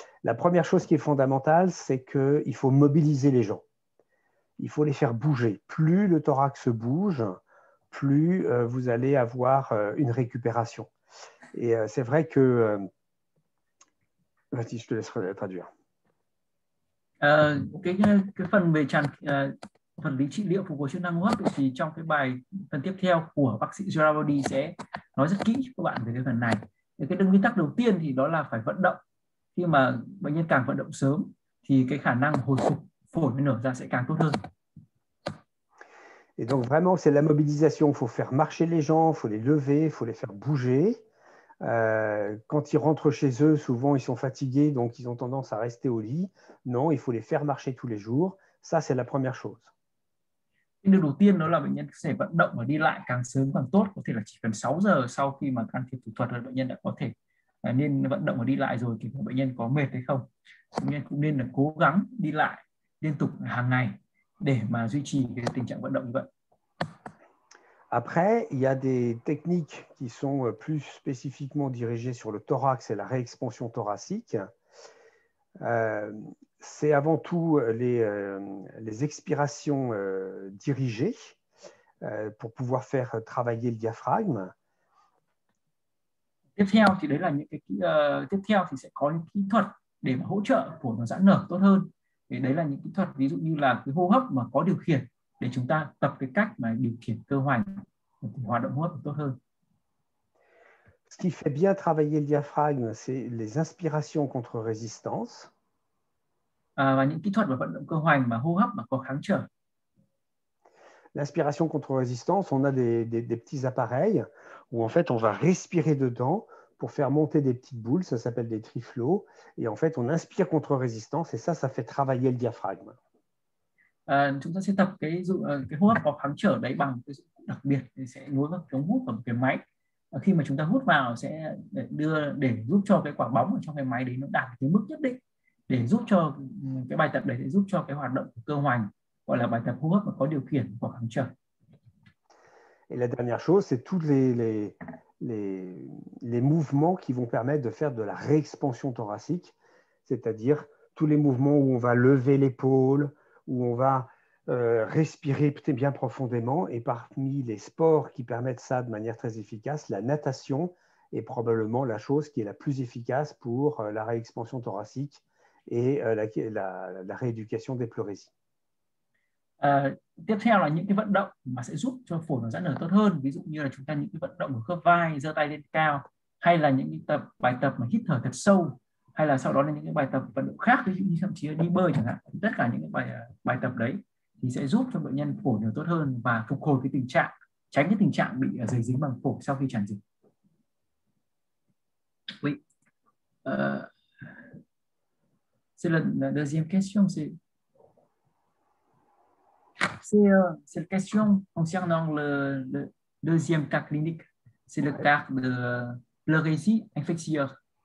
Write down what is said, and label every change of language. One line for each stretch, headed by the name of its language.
French: La première chose qui est fondamentale, c'est qu'il faut mobiliser les gens. Il faut les faire bouger. Plus le thorax bouge, plus vous allez avoir une récupération. Et c'est vrai que. Vas-y, je te laisse traduire.
Vietnamese: Cái phần về tràn phần lý trị liệu phục hồi chức năng hô hấp thì trong cái bài phần tiếp theo của bác sĩ Girardi sẽ nói rất kỹ cho các bạn về cái phần này. Cái đơn nguyên tắc đầu tiên thì đó là phải vận động. Khi mà bệnh nhân càng vận động sớm thì cái khả năng hồi phục phổi nó nở ra sẽ càng tốt hơn.
French: Et donc vraiment, c'est la mobilisation. Il faut faire marcher les gens, il faut les lever, il faut les faire bouger. Quand ils rentrent chez eux, souvent, ils sont fatigués, donc ils ont tendance à rester au lit. Non, il faut les faire marcher tous les jours. Ça, c'est la première chose.
Vietnamese: Điều đầu tiên đó là bệnh nhân sẽ vận động và đi lại càng sớm càng tốt, có thể là chỉ cần 6 giờ sau khi mà can thiệp phẫu thuật là bệnh nhân đã có thể nên vận động và đi lại rồi, kể cả bệnh nhân có mệt hay không. Bệnh nhân cũng nên là cố gắng đi lại liên tục hàng ngày để mà duy trì cái tình trạng vận động như vậy.
French: Après, il y a des techniques qui sont plus spécifiquement dirigées sur le thorax et la réexpansion thoracique. C'est avant tout les expirations dirigées pour pouvoir faire travailler le diaphragme.
Vietnamese: Tiếp theo thì đấy là những cái tiếp theo thì sẽ có những kỹ thuật để mà hỗ trợ của nó giãn nở tốt hơn. Thì đấy là những kỹ thuật ví dụ như là cái hô hấp mà có điều khiển để chúng ta tập cái cách mà điều khiển cơ hoành hoạt động hô hấp tốt hơn.
French: Ce qui fait bien travailler le diaphragme, c'est les inspirations contre résistance.
Vietnamese: Và những kỹ thuật mà vận động cơ hoành mà hô hấp mà có kháng trở.
French: L'inspiration contre résistance, on a des petits appareils où en fait on va respirer dedans pour faire monter des petites boules, ça s'appelle des triflots, et en fait on inspire contre résistance et ça fait travailler le diaphragme.
Vietnamese: Chúng ta sẽ tập cái hô hấp có kháng trở đấy bằng cái đặc biệt thì sẽ nối các ống hút vào cái máy. Khi mà chúng ta hút vào sẽ để giúp cho cái quả bóng ở trong cái máy đấy nó đạt cái mức nhất định để giúp cho cái bài tập đấy để giúp cho cái hoạt động của cơ hoành gọi là bài tập hô hấp mà có điều khiển của kháng trở.
French: Et la dernière chose, c'est tous les mouvements qui vont permettre de faire de la réexpansion thoracique, c'est-à-dire tous les mouvements où on va lever l'épaule, où on va respirer bien profondément. Et parmi les sports qui permettent ça de manière très efficace, la natation est probablement la chose qui est la plus efficace pour la réexpansion thoracique et la rééducation des pleurésies.
Vietnamese: Tiếp theo là những cái vận động mà sẽ giúp cho phổi nó giãn nở tốt hơn, ví dụ như là chúng ta những cái vận động của khớp vai, giơ tay lên cao, hay là những cái tập bài tập mà hít thở thật sâu, hay là sau đó là những cái bài tập vận động khác, ví dụ như thậm chí là đi bơi chẳng hạn, tất cả những cái bài bài tập đấy thì sẽ giúp cho bệnh nhân phổi nó tốt hơn và phục hồi cái tình trạng, tránh cái tình trạng bị dày dính bằng phổi sau khi tràn dịch.
French: Oui. C'est la deuxième question, c'est cette question concernant le deuxième cas clinique, c'est le cas de pleurésie infectieuse.